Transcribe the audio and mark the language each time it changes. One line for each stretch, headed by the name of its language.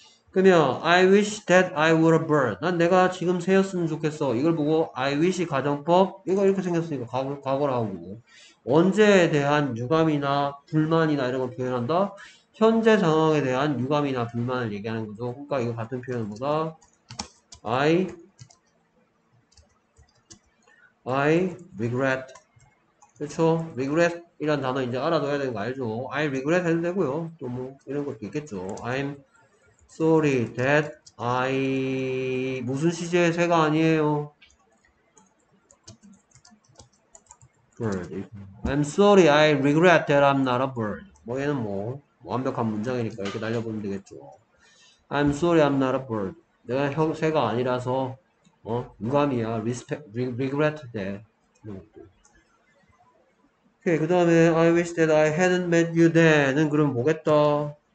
Korean: 그러면
English: I wish that I were a bird.
Korean: 난 내가 지금 새였으면 좋겠어. 이걸 보고
English: I wish
Korean: 가정법 이거 이렇게 생겼으니까 과거라고. 언제에 대한 유감이나 불만이나 이런 걸 표현한다. 현재 상황에 대한 유감이나 불만을 얘기하는 거죠. 그러니까 이거 같은 표현보다
English: I regret.
Korean: 그렇죠? regret 이란 단어 이제 알아둬야 되는 거 알죠?
English: I regret
Korean: 해도 되고요. 또뭐 이런 것도 있겠죠.
English: I'm Sorry that I
Korean: 무슨 시제의 새가 아니에요.
English: Bird. I'm sorry I regret that I'm not a bird.
Korean: 뭐 얘는 뭐 완벽한 문장이니까 이렇게 날려보면 되겠죠.
English: I'm sorry I'm not a bird.
Korean: 내가 새가 아니라서 유감이야.
English: Regret that. 오케이.
Korean: 그 다음에
English: I wish that I hadn't met you then
Korean: 은 그럼 뭐겠다.